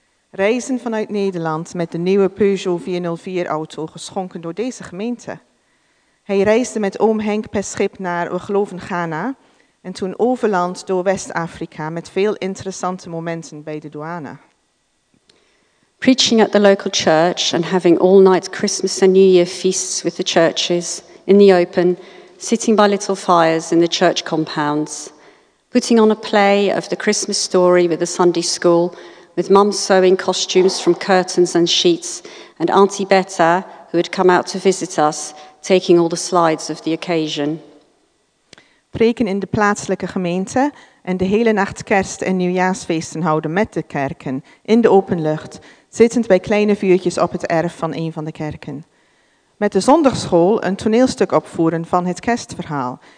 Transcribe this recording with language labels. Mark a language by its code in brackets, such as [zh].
[nl] Reizen vanuit Nederland met de nieuwe Peugeot 404-auto geschonken door deze gemeente. Hij reisde met oom Henk per schip naar, we geloven, Ghana en toen overland door West-Afrika met veel interessante momenten bij de douane. [en] Preaching at the local church and having all night Christmas and New Year feasts with the churches in the open, sitting by little fires in the church compounds, putting on a play of the Christmas story with the Sunday school, with Mum sewing costumes from curtains and sheets, and Auntie Betta, who had come out to visit us, taking all the slides of the occasion. [nl] Preken in de plaatselijke gemeente en de hele nacht kerst- en nieuwjaarsfeesten houden met de kerken, in de open lucht, zittend bij kleine vuurtjes op het erf van een van de kerken. Met de zondagschool een toneelstuk opvoeren van het kerstverhaal.